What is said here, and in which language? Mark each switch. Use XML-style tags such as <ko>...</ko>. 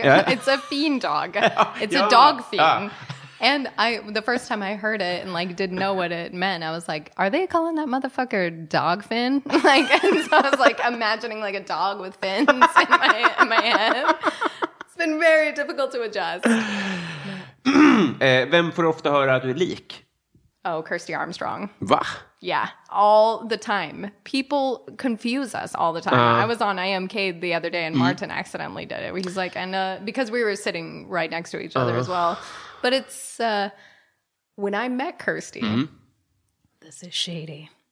<en>It's a fiend dog. It's a dog fiend. And I, the first time I heard it and, like, didn't know what it meant, I was like, are they calling that motherfucker Dogfin? Like, and so I was, like, imagining, like, a dog with fins in my head. It's been very difficult to adjust.</en> <sv>Vem får ofta höra att du är lik?</sv> <en>Oh, Kirstie Armstrong.</en> <sv>Va?</sv> <en>Yeah, all the time. People confuse us all the time. I was on IMK the other day and Martin accidentally did it. He's like, and because we were sitting right next to each other as well. But it's when I met Kirstie, this is shady.</en>